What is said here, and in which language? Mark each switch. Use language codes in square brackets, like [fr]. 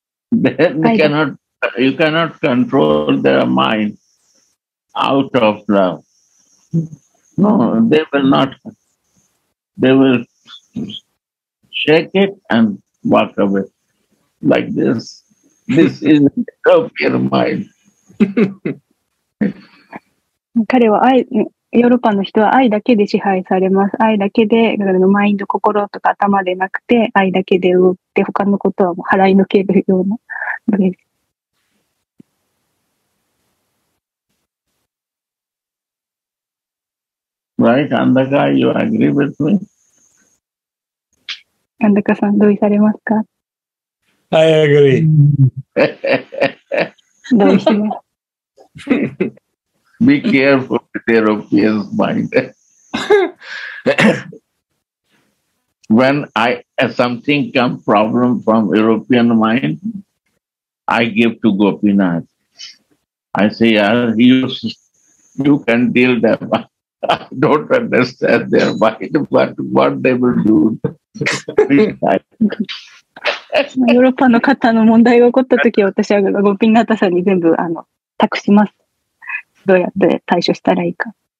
[en] Then you cannot control their mind out of love. No, they will not. They will shake it and walk away like this. This is European mind. [ja] 彼は愛、ヨーロッパの人は愛だけで支配されます。愛だけで、だからのマインド、心とか頭でなくて、愛だけで動いて、他のことはもう払いのけるようなのです。 [en] Right, Andaka, you agree with me? [ja] Andaka さん、同意されますか? [en] I agree. [ja] 同意します。 [en] Be careful with the European's mind. When I, something comes, problem from European mind, I give to Gopinath. I say, you can deal them. I don't understand their mind, but what they will do. [ja] ヨーロッパの方の問題が起こった時、私はゴピナタさんに全部託します。どうやって対処したらいいか。